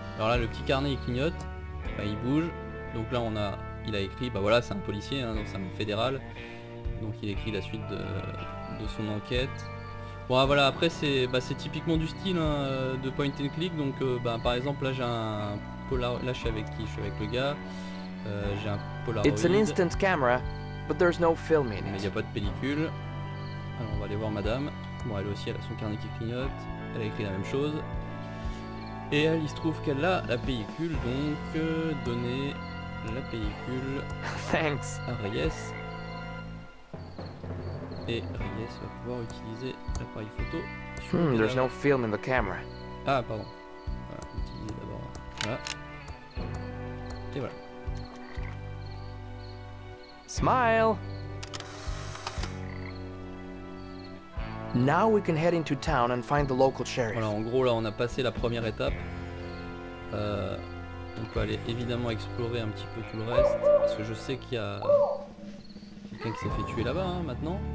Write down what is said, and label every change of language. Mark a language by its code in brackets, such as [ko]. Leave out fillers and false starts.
[fr] Alors là le petit carnet il clignote, enfin il bouge, donc là il a écrit, bah voilà, c'est un policier, hein, donc c'est un fédéral. Donc il écrit la suite de son enquête. Bon voilà, après c'est typiquement du style hein, de point and click. Donc par exemple là j'ai un Polaroid. Là je suis avec le gars. J'ai un Polaroid. [en] It's an instant camera, but there's no film in it. [fr] Mais il n'y a pas de pellicule. Alors on va aller voir madame. Bon elle aussi elle a son carnet qui clignote. Elle a écrit la même chose. Et elle, il se trouve qu'elle a la pellicule, donc donnée. La pellicule. [en] Thanks. [fr] À Reyes. Et Reyes va pouvoir utiliser l'appareil photo. [en] There's no film in the camera. [fr] Ah pardon. Voilà, utiliser d'abord. Voilà. Et voilà. [en] Smile. Now we can head into town and find the local sheriff. [fr] Voilà, en gros là on a passé la première étape. On peut aller évidemment explorer un petit peu tout le reste, parce que je sais qu'il y a quelqu'un qui s'est fait tuer là-bas hein, maintenant.